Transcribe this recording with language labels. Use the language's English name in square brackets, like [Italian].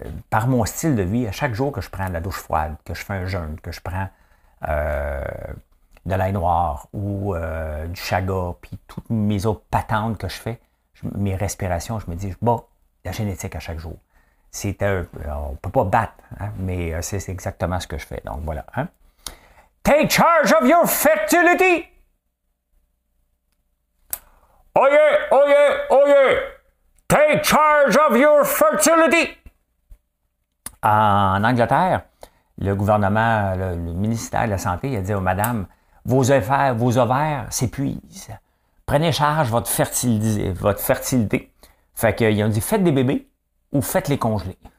[French] Par mon style de vie, à chaque jour que je prends de la douche froide, que je fais un jeûne, que je prends de l'ail noir ou du chaga, puis toutes mes autres patentes que je fais, mes respirations, je me dis, bon, la génétique à chaque jour. C'est un, on ne peut pas battre, hein, mais c'est exactement ce que je fais. Donc voilà. Hein. [English] Take charge of your fertility! Oh yeah, oh yeah, oh yeah! Take charge of your fertility! [French] En Angleterre, le gouvernement, le ministère de la Santé, il a dit aux madames, vos ovaires s'épuisent. Prenez charge votre fertilité. Fait qu'ils ont dit, faites des bébés ou faites-les congeler.